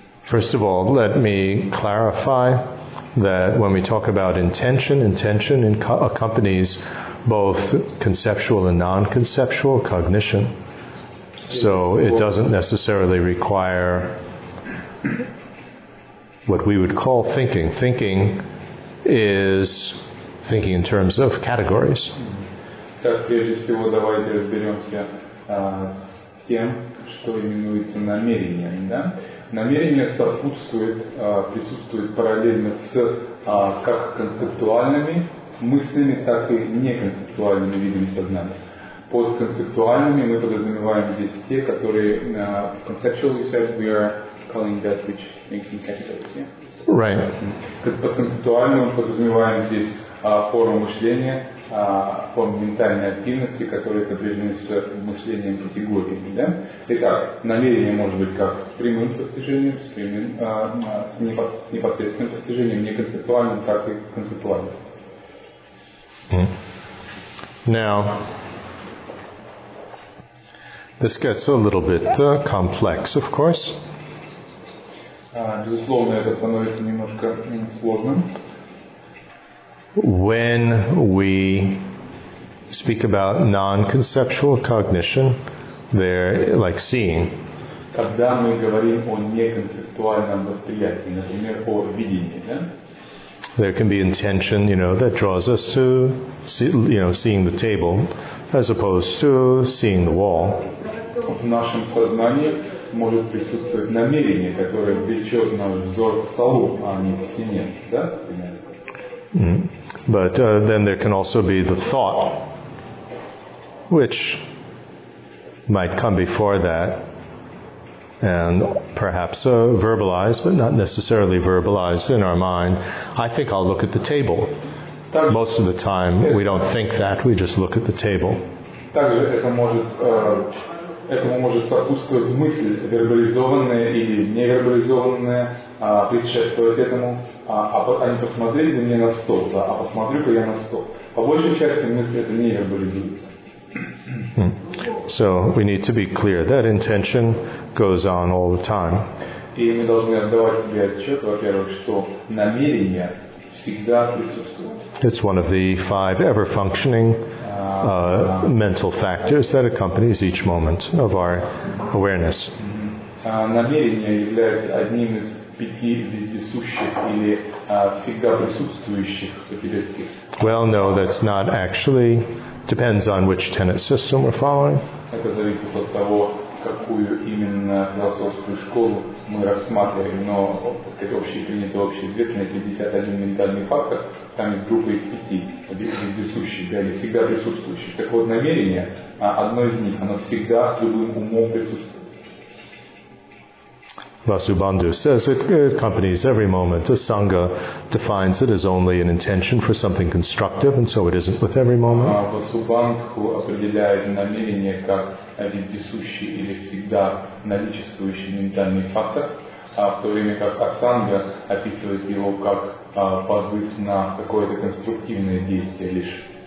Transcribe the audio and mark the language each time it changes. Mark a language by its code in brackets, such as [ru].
[en] First of all, let me clarify that when we talk about intention, intention accompanies both conceptual and non-conceptual cognition. So it doesn't necessarily require what we would call thinking. Thinking is thinking in terms of categories. [ru] Так, прежде всего, давайте разберемся с тем, что именуется намерением. Да? Намерение сопутствует, присутствует параллельно с как концептуальными мыслями, так и неконцептуальными видами сознания. Под концептуальными мы подразумеваем здесь те, которые [en] conceptually said we are calling that which makes in categories. Yeah? Right. [ru] Под концептуальным мы подразумеваем здесь форму мышления, форм ментальной активности, которые сопряжены с мышлением категориями. Да? Итак, намерение может быть как с прямым постижением, с, прямым, с непосредственным постижением, не концептуальным, так и с концептуальным. [en] Now, this gets a little bit complex, of course. [ru] Безусловно, это становится немножко сложным. [en] When we speak about non-conceptual cognition, there, like seeing. [ru] Когда мы говорим о неконцептуальном восприятии, например, о видении, да? [en] There can be intention, you know, that draws us to, see, you know, seeing the table, as opposed to seeing the wall. [ru] В нашем сознании может присутствовать намерение, которое влечет наш взор к столу, а не к стене, да? [en] But then there can also be the thought, which might come before that, and perhaps verbalized, but not necessarily verbalized in our mind. I think I'll look at the table. Most of the time, we don't think that, we just look at the table. [ru] Этому может сопутствовать мысль, вербализованная или невербализованная, предшествует этому. А не посмотрели бы мне на стол, да, а посмотрю-ка я на стол. По большей части мысль это не вербализуется. [en] So we need to be clear that intention goes on all the time. [ru] И мы должны отдавать себе отчет, во-первых, что намерение всегда присутствует. [en] It's one of the five ever-functioning mental factors that accompanies each moment of our awareness. [ru] Намерение является одним из пяти вездесущих или всегда присутствующих потребностей. [en] Well, no, that's not actually. Depends on which tenet system we're following. [ru] Это зависит от того, какую именно философскую школу мы рассматриваем. Но это общепринято, общеизвестно, это 51 ментальный фактор, там есть группа из пяти, вездесущих, да, или всегда присутствующих. Так вот, намерение, одно из них, оно всегда с любым умом присутствует. [en] Vasubandhu says it accompanies every moment. The Sangha defines it as only an intention for something constructive, and so it isn't with every moment. [ru] Vasubandhu определяет намерение как вездесущий или всегда наличествующий ментальный фактор, в то время как Асанга описывает его как позыв на какое-то конструктивное действие лишь.